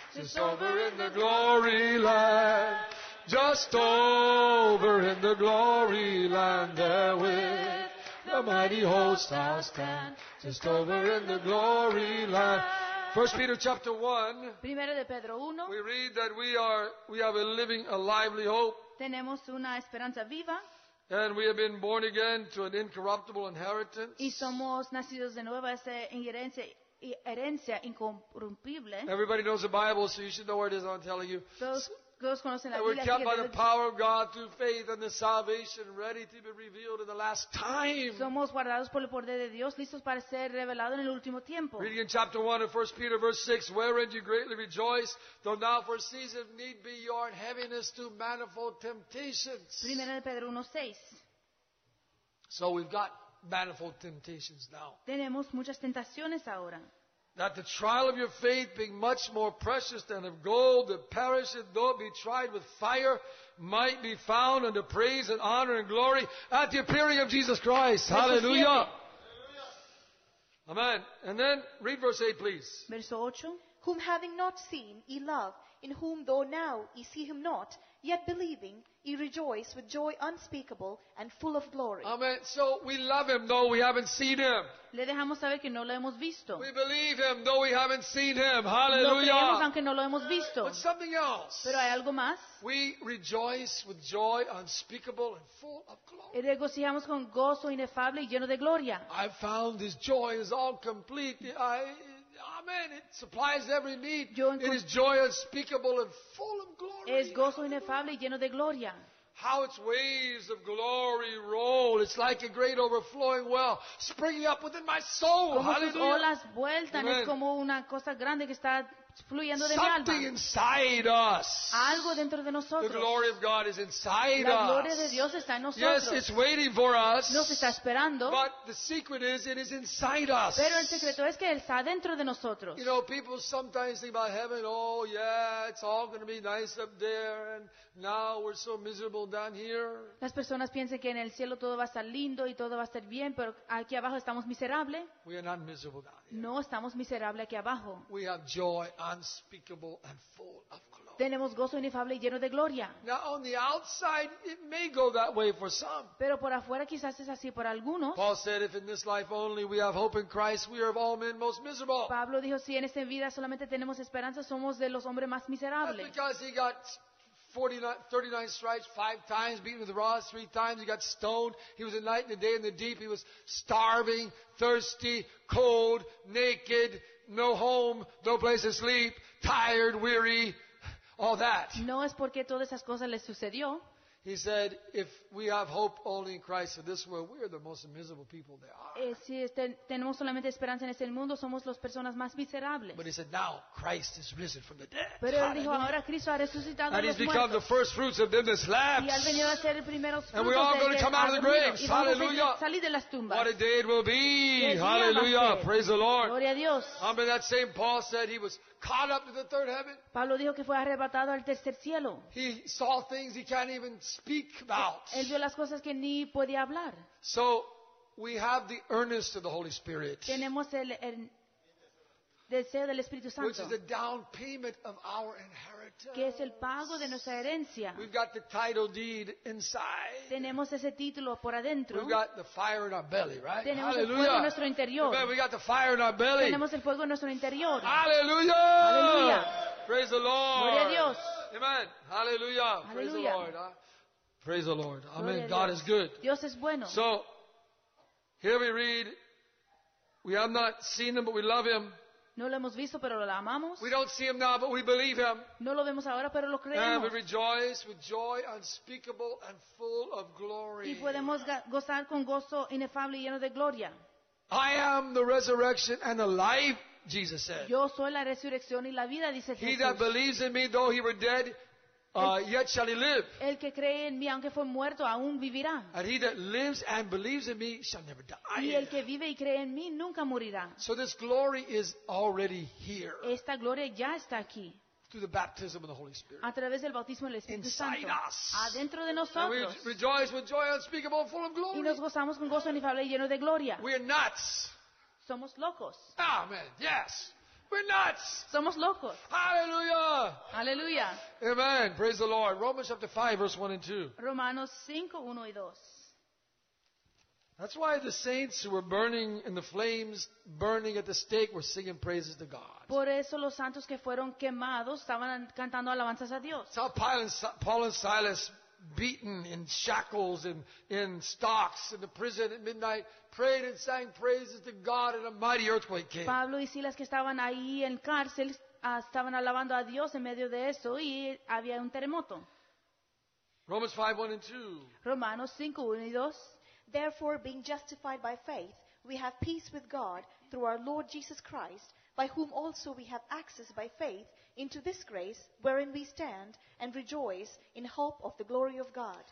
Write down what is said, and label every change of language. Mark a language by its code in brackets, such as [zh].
[en] Just over in the glory land, just over in the glory land, there with the mighty host I'll stand. Just over in the glory land. 1 Peter chapter 1, [es] Primero de Pedro 1, [en] we read that we have a living, a lively hope. [es] Tenemos una esperanza viva. [en] And we have been born again to an incorruptible inheritance. [es] Y somos nacidos de nuevo a esa herencia. [en] Everybody knows the Bible, so you should know where it is. I'm telling you. And we're kept by the power of God through faith and the salvation ready to be revealed in the last time. [es] Somos guardados por el poder de Dios, listos para ser revelado en el último tiempo. [en] Reading in chapter 1 of 1 Peter, verse 6, wherein you greatly rejoice, though now for a season need be you are in heaviness through manifold temptations. [es] Primera de Pedro 1:6. [en] So we've got manifold temptations now. [es] Tenemos muchas tentaciones ahora. [en] That the trial of your faith, being much more precious than of gold that perisheth, though be tried with fire, might be found unto praise and honor and glory at the appearing of Jesus Christ. Hallelujah. Amen. And then read verse 8, please. [es] Verso 8. [en] Whom having not seen, ye love, in whom though now ye see him not, yet believing, ye rejoice with joy unspeakable and full of glory. Amen. So we love him though we haven't seen him. [es] Le dejamos saber que no lo hemos visto. [en] We believe him though we haven't seen him. Hallelujah. [es] Lo creemos aunque no lo hemos visto. [en] But something else. [es] Pero hay algo más. [en] We rejoice with joy unspeakable and full of glory. [es] Y regocijamos con gozo inefable y lleno de gloria. [en] I found this joy is all complete. Amen. It supplies every need. It is joy unspeakable and full of glory. [es] Es gozo inefable y lleno de gloria. [en] How its waves of glory roll. It's like a great overflowing well springing up within my soul. [es] Como hallelujah. Sus olas vueltan. Amen. Es como una cosa grande que está fluyendo de [en] something [es] mi alma. [en] Inside us. [es] Algo dentro de nosotros. [en] The glory of God is inside [es] la gloria [en] us. [es] De Dios está en nosotros. [en] Yes, it's waiting for us. [es] Nos está esperando. [en] But the secret is, it is inside us. [es] Pero el secreto es que él está dentro de nosotros. [en] You know, people sometimes think about heaven. Oh, yeah, it's all going to be nice up there, and now we're so miserable down here. [es] Las personas piensan que en el cielo todo va a estar lindo y todo va a estar bien, pero aquí abajo estamos miserables. [en] We are not miserable down here. [es] No estamos miserables aquí abajo. [en] We have joy unspeakable and full of glory. [es] Tenemos gozo inefable y lleno de gloria. [en] Now on the outside it may go that way for some. [es] Pero por afuera quizás es así por algunos. [en] Paul said, if in this life only we have hope in Christ, we are of all men most miserable. [es] Pablo dijo, si en esta vida solamente tenemos esperanza, somos de los hombres más miserables. [en] That's because he got 39 stripes, 5 times, beaten with rods, 3 times, he got stoned, he was a night and a day in the deep, he was starving, thirsty, cold, naked, no home, no place to sleep, tired, weary, all that. [es] No es porque todas esas cosas le sucedió. [en] He said, if we have hope only in Christ in this world, we are the most miserable people there are. [es] Si tenemos solamente esperanza en este mundo, somos las personas más miserables. [en] But he said, now Christ is risen from the dead. [es] Pero él dijo, ahora Cristo ha resucitado de los muertos. [en] And he's become the first fruits of them that slept. [es] Y ha venido a ser el primer fruto de los [en] And we're all going to come out of the graves. Hallelujah. [es] Salir de las tumbas. [en] What a day it will be. Hallelujah. Praise the Lord. [es] Gloria a Dios. [en] Remember that same Paul said he was caught up to the third heaven. [es] Pablo dijo que fue arrebatado al tercer cielo. [en] He saw things he can't even speak about. [es] Él vio las cosas que ni podía hablar. [en] So we have the earnest of the Holy Spirit. [es] Tenemos el deseo del Espíritu Santo. [en] Which is the down payment of our inheritance. [es] Que es el pago de nuestra herencia. [en] We've got the title deed inside. [es] Tenemos ese título por adentro. [en] We've got the fire in our belly, right? [es] Tenemos Hallelujah. El fuego en nuestro interior. [en] Amen. We got the fire in our belly. [es] Tenemos el fuego en nuestro interior. Hallelujah! Hallelujah. [en] Praise the Lord. [es] Gloria a Dios. Amen. Hallelujah. Hallelujah. [en] Praise the Lord. Praise the Lord. Amen. God is good. [es] Dios es bueno. [en] So, here we read, we have not seen him, but we love him. [es] No lo hemos visto, pero lo amamos. [en] We don't see him now, but we believe him. [es] No lo vemos ahora, pero lo creemos. [en] And we rejoice with joy unspeakable and full of glory. [es] Y podemos gozar con gozo inefable y lleno de gloria. [en] I am the resurrection and the life, Jesus said. [es] Yo soy la resurrección y la vida, dice Jesús. [en] He that believes in me, though he were dead, yet shall he live. [es] El que cree en mí, aunque fue muerto, aún vivirá. [en] And he that lives and believes in me shall never die. [es] Y el que vive y cree en mí, nunca morirá. [en] So this glory is already here. [es] Esta gloria ya está aquí. [en] Through the baptism of the Holy Spirit. [es] A través del bautismo del Espíritu [en] Inside [es] Santo. [en] Inside us. [es] Adentro de nosotros. [en] And we rejoice with joy unspeakable, full of glory. [es] Y nos gozamos con gozo inefable y lleno de gloria. [en] We're nuts. [es] Somos locos. [en] Amen. Yes. We're nuts. [es] Somos locos. Hallelujah. Hallelujah. [en] Amen. Praise the Lord. Romans chapter 5, verse 1 and 2. [es] Romanos 5, 1 y 2. [en] That's why the saints who were burning in the flames, burning at the stake, were singing praises to God. [es] Por eso los santos que fueron quemados estaban cantando alabanzas a Dios. [en] It's how Paul and Silas beaten in shackles and in stocks in the prison at midnight, prayed and sang praises to God, and a mighty earthquake came. [es] Pablo y Silas que estaban ahí en cárcel estaban alabando a Dios en medio de eso y había un terremoto. [en] Romans 5:1-2. [es] Romanos 5:1-2. [en] Therefore, being justified by faith, we have peace with God through our Lord Jesus Christ, by whom also we have access by faith into this grace wherein we stand and rejoice in hope of the glory of God.